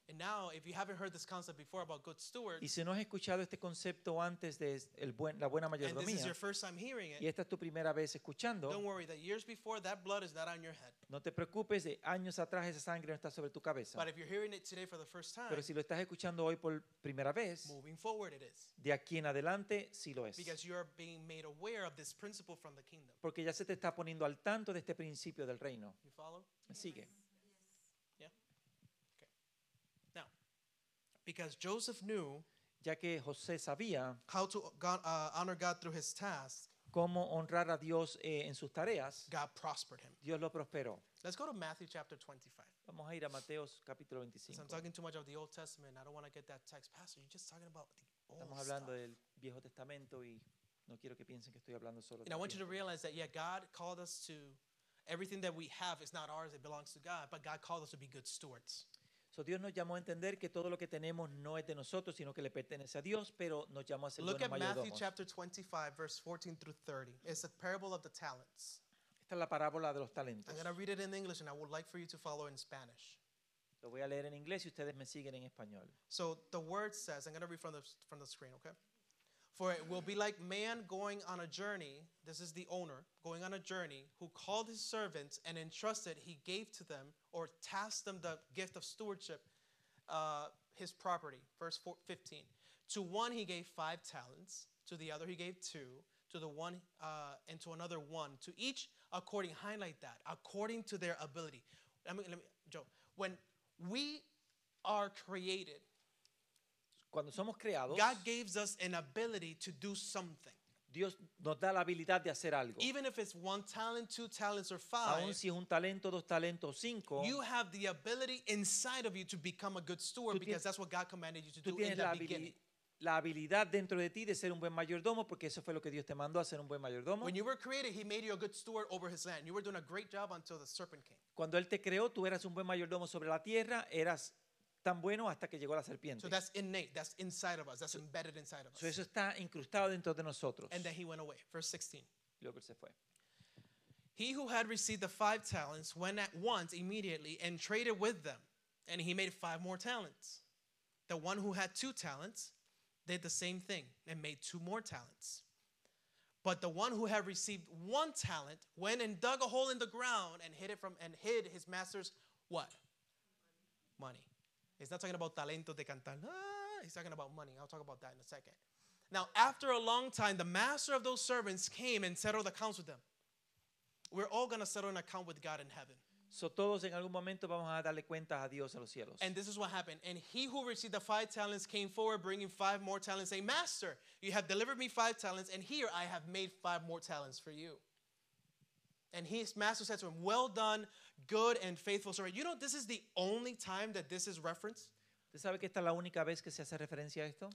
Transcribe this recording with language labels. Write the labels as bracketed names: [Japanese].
[English] And now, if you haven't heard this concept before about good stewards. [Spanish] Y si no has escuchado este concepto antes de la buena mayordomía. [English] And this is your first time hearing it. [Spanish] Y esta es tu primera vez escuchando. [English] Don't worry, that years before, that blood is not on your head. [Spanish] No te preocupes, de años atrás esa sangre no está sobre tu cabeza. [English] But if you're hearing it today for the first time. [Spanish] Pero si lo estás escuchando hoy por primera vez. [English] Moving forward it is. [Spanish] De aquí en adelante, sí lo es. [English] Because you are being made aware of this principle from the kingdom. [Spanish] Porque ya se te está poniendo al tanto de este principio del reino. [English] You follow? [Spanish] Sigue. [English] Yeah. Okay. Now, because Joseph knew, [Spanish] ya que José sabía, [English] how to honor God through his task, [Spanish] cómo honrar a Dios en sus tareas, [English] God prospered him. [Spanish] Dios lo prosperó. [English] Let's go to Matthew chapter 25. [Spanish] Vamos a ir a Mateo capítulo 25. [English] Because I'm talking too much of the Old Testament. I don't want to get that text. Pastor, you're just talking about the old [Spanish] Estamos hablando [English] stuff. [Spanish] Del Viejo Testamento y No quiero que piensen que estoy hablando solo de [English] And I want you to realize that, yeah, God called us to, everything that we have is not ours, it belongs to God, but God called us to be good stewards. [Spanish] So Dios nos llamó a entender que todo lo que tenemos no es de nosotros, sino que le pertenece a Dios, pero nos llamó a ser buenos mayordomos. [English] Look at Matthew chapter 25, verse 14 through 30. It's a parable of the talents. [Spanish] Esta es la parábola de los talentos. [English] I'm going to read it in English, and I would like for you to follow in Spanish. [Spanish] Lo voy a leer en inglés y ustedes me siguen en español. [English] So the word says, I'm going to read from the screen, okay? For it will be like man going on a journey, this is the owner, going on a journey, who called his servants and entrusted, he gave to them, or tasked them the gift of stewardship, his property. Verse 15. To one he gave 5 talents, to the other he gave 2, to the one and to another 1. To each according, highlight that, according to their ability. Let me, Joe, when we are created, [Spanish] cuando somos creados, [English] God gives us an ability to do something. [Spanish] Dios nos da la habilidad de hacer algo. [English] Even if it's 1 talent, 2 talents, or 5, [Spanish] aun si es un talento, 2 talentos, 5, [English] you have the ability inside of you to become a good steward because that's what God commanded you to do in the beginning. [Spanish] La habilidad dentro de ti de ser un buen mayordomo, porque eso fue lo que Dios te mandó a ser un buen mayordomo. [English] When you were created, he made you a good steward over his land. You were doing a great job until the serpent came. [Spanish] Cuando él te creó, tú eras un buen mayordomo sobre la tierra, eras tan bueno hasta que llegó la serpiente. [English] So that's innate, that's inside of us, that's embedded inside of us. [Spanish] So eso está incrustado dentro de nosotros. [English] And then he went away, verse 16. [Spanish] Y luego él se fue. [English] He who had received the 5 talents went at once immediately and traded with them, and he made 5 more talents. The one who had 2 talents did the same thing and made 2 more talents. But the one who had received 1 talent went and dug a hole in the ground and hid it from and hid his master's what? Money. He's not talking about [Spanish] talento de cantar. [English] He's talking about money. I'll talk about that in a second. Now, after a long time, the master of those servants came and settled accounts with them. We're all going to settle an account with God in heaven. [Spanish] So todos en algún momento vamos a darle cuentas a Dios en los cielos. [English] And this is what happened. And he who received the 5 talents came forward bringing 5 more talents, saying, Master, you have delivered me 5 talents, and here I have made 5 more talents for you. And his master said to him, Well done, good and faithful servant. You know, this is the only time that this is referenced. [Spanish] ¿Usted sabe que esta es la única vez que se hace referencia a esto?